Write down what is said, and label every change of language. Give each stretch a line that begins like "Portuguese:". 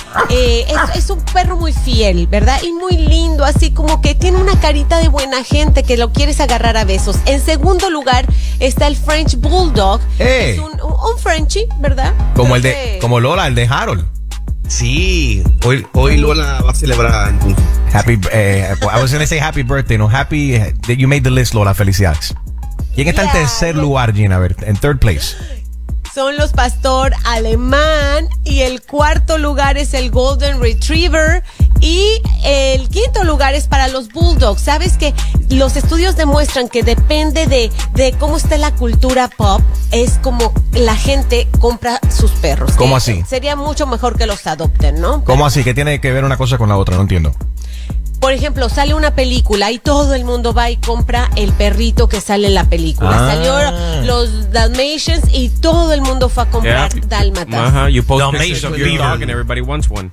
Spanish: Es un perro muy fiel, ¿verdad? Y muy lindo, así como que tiene una carita de buena gente que lo quieres agarrar a besos. En segundo lugar está el French Bulldog. Hey. Es un Frenchie, ¿verdad? Como el de, como Lola, el de Harold. Sí, hoy Lola va a celebrar.
English: I was gonna say happy birthday, no, happy that you made the list, Lola, felicidades.
Spanish: ¿Quién está en tercer lugar, Gina? A ver, en
English: third place.
Spanish: Son los pastor alemán. Y el cuarto lugar es el Golden Retriever. Y el quinto lugar es para los Bulldogs. ¿Sabes qué? Los estudios demuestran que depende de cómo esté la cultura pop, es como la gente compra sus perros. ¿Cómo así? Sería mucho mejor que los adopten, ¿no? ¿Cómo así? ¿Qué tiene que ver una cosa con la otra? No entiendo. Por ejemplo, sale una película y todo el mundo va y compra el perrito que sale en la película. Ah. Salió los Dalmatians y todo el mundo fue a comprar dálmatas.
English: You post pictures of your dog and everybody wants one.